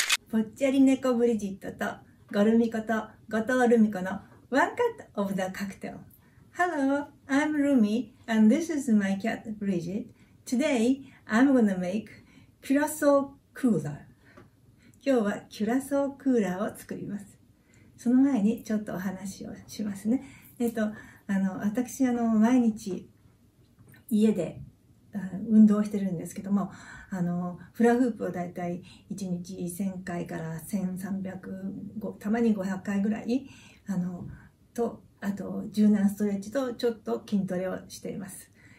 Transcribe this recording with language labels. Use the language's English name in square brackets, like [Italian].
[Japanese] ぽっちゃり猫ブリジットとガルミコとガトールミコのワンカットオブザカクテル。 [English] Hello, I'm Rumi and this is my cat Bridget. Today, I'm gonna make キュラソークーラー。 [Japanese] 今日はキュラソークーラーを作ります。その前にちょっとお話をしますね。私、毎日家で運動してるんですけども、フラフープをだいたい1日1000回から1300、たまに500回ぐらい、あと柔軟ストレッチとちょっと筋トレをしています。